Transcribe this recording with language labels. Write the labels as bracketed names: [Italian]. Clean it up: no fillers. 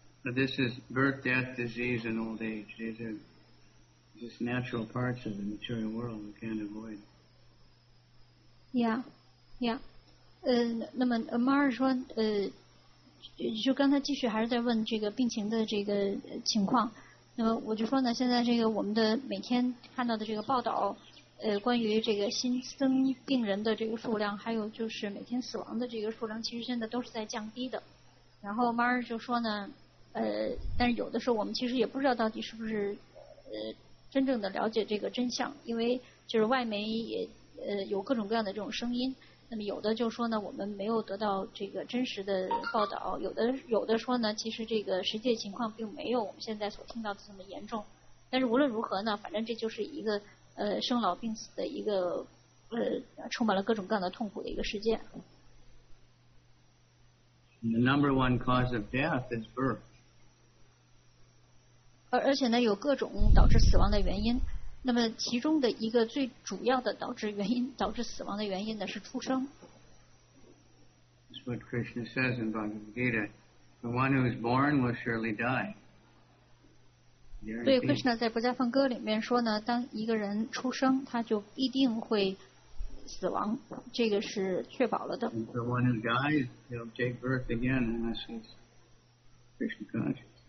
[English] But this is birth, death, disease, and old age. These are just natural parts of the material world we can't avoid. Yeah. Yeah. [Chinese] 那么马尔说，就刚才继续还是在问这个病情的这个情况。那么我就说呢，现在这个我们的每天看到的这个报道，关于这个新增病人的这个数量，还有就是每天死亡的这个数量，其实现在都是在降低的。然后马尔就说呢，但是有的时候我们其实也不知道到底是不是真正的了解这个真相，因为就是外媒也有各种各样的这种声音。那么有的就说呢，我们没有得到这个真实的报道，有的说呢，其实这个实际情况并没有我们现在所听到的这么严重。但是无论如何呢，反正这就是一个生老病死的一个充满了各种各样的痛苦的一个世界。 [English] The number one cause of death is birth. [Chinese] 而且呢，有各种导致死亡的原因。那么其中的一个最主要的导致死亡的原因呢是出生。 [English] That's what Krishna says in Bhagavad Gita. The one who is born will surely die. [Chinese] 对 ，Krishna 在《不再放歌》里面说呢，当一个人出生，他就必定会死亡，这个是确保了的。 [English] The one who dies, he'll take birth again unless he's Krishna conscious.